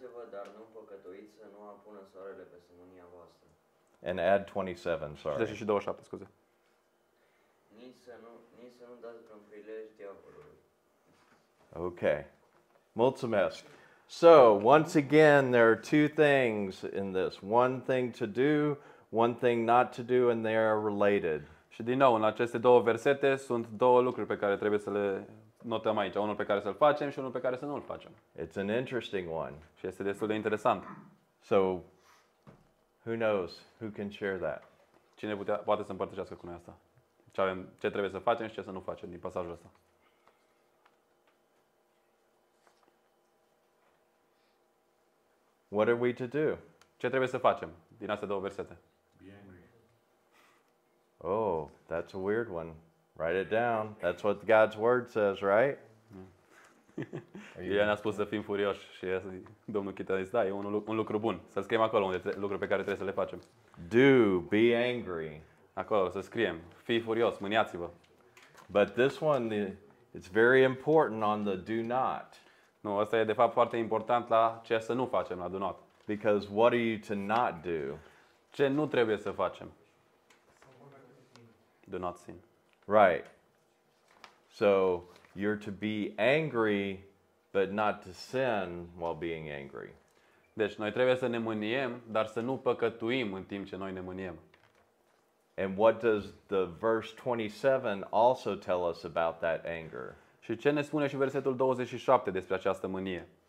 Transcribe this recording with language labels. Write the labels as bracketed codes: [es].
[ro] Dar nu păcătuiți să nu apună soarele pe semânia voastră. [en] And add 27, sorry. [ro] 27, scuze. Nici să nu dați vreun prilej diavolului. Okay. Mulțumesc. [en] So, once again, there are two things in this. One thing to do, one thing not to do and they are related. [ro] Și din nou, în aceste două versete sunt două lucruri pe care trebuie să le notăm aici, unul pe care să-l facem și unul pe care să nu-l facem. [en] It's an interesting one. [ro] Și este destul de interesant. [en] So who knows who can share that? [ro] Cine poate să împărtășească cu noi asta? Ce avem, ce trebuie să facem și ce să nu facem din pasajul ăsta? [en] What are we to do? [ro] Ce trebuie să facem din aceste două versete? [en] Oh, that's a weird one. Write it down. That's what God's word says, right? [ro] Ea ne-a spus să fim furioși și domnul Chita a zis, da, e un lucru bun. Să scriem acolo unde lucruri pe care trebuie să le facem. [en] Do, be angry. [ro] Acolo să scriem, fii furios, mâniați-vă. [en] But this one, it's very important on the do not. [ro] Nu, asta e de fapt foarte important la ce să nu facem, la do not. [en] Because what are you to not do? [ro] Ce nu trebuie să facem? [en] Do not sin. Right. So you're to be angry, but not to sin while being angry. [ro] Deci noi trebuie să ne mâniem, dar să nu păcătuim în timp ce noi ne mâniem. [en] And what does the verse 27 also tell us about that anger? [ro] Și ce ne spune și versetul 27 despre această mânie?